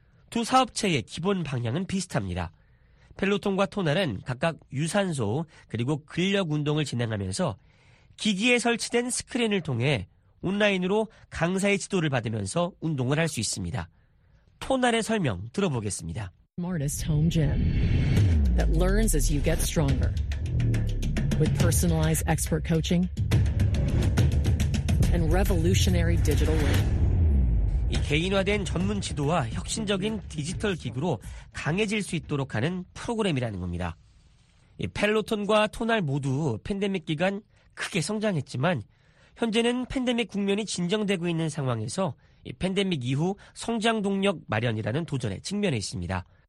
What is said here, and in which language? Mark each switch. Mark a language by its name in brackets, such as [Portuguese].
[Korean] 두 사업체의 기본 방향은 비슷합니다. 펠로톤과 토날은 각각 유산소 그리고 근력 운동을 진행하면서 기기에 설치된 스크린을 통해 온라인으로 강사의 지도를 받으면서 운동을 할 수 있습니다. 토날의 설명 들어보겠습니다. [English] Smartest home gym that learns as you get stronger with personalized expert coaching and revolutionary digital learning. [Korean] 이 개인화된 전문 지도와 혁신적인 디지털 기구로 강해질 수 있도록 하는 프로그램이라는 겁니다. 이 펠로톤과 토날 모두 팬데믹 기간 크게 성장했지만 현재는 팬데믹 국면이 진정되고 있는 상황에서 이 팬데믹 이후 성장 동력 마련이라는 도전의 측면에 있습니다.